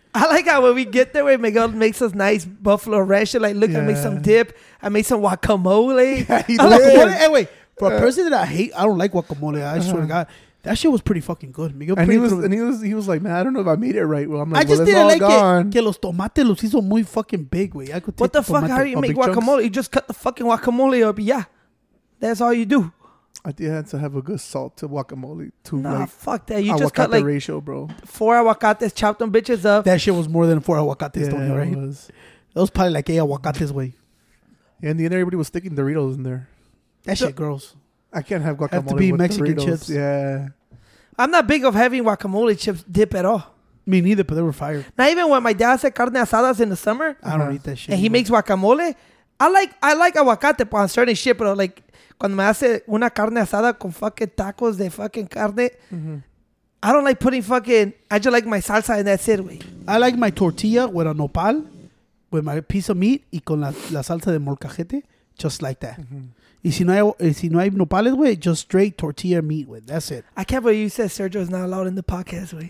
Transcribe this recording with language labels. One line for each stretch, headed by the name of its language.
English: I like how when we get there, where Miguel makes us nice buffalo ration. Like, look, yeah. I made some dip. I made some guacamole. Yeah, like, what? Hey, wait, for a person that I hate, I don't like guacamole. I swear to God, that shit was pretty fucking good. Miguel, and he was like, man, I don't know if I made it right. Well, I'm like, I just well, didn't all like gone. It.
Spanish: Que los tomates los hizo muy
English: fucking big,
Spanish: güey.
English: What the fuck? How do you make guacamole? Chunks? You just cut the fucking guacamole up, yeah. That's all you do. I think I had to have a good salt to guacamole too. Nah, like, fuck that. You just cut like ratio, bro. Four aguacates, chopped them bitches up. That shit was more than four aguacates, yeah, don't you, right? It was probably like eight aguacates, way. Yeah, in the end, everybody was sticking Doritos in there. That shit, gross. I can't have guacamole. Have to be with Mexican Doritos. Chips. Yeah. I'm not big of having guacamole chips dip at all. Me neither, but they were fire. Not even when my dad said carne asadas in the summer. I don't eat that shit. And he makes guacamole. I like aguacate on certain shit, but like.
Spanish: Cuando me hace una carne asada con fucking tacos de fucking carne, mm-hmm.
English: I don't like putting fucking, I just like my salsa and that's it, güey. I like my tortilla with a nopal, with my piece of meat
Spanish: y con la salsa de molcajete,
English: just like that.
Spanish: Mm-hmm. Y si no hay nopales, güey,
English: just straight tortilla meat,
Spanish: güey.
English: That's it. I can't believe you said Sergio is not allowed in the podcast, güey.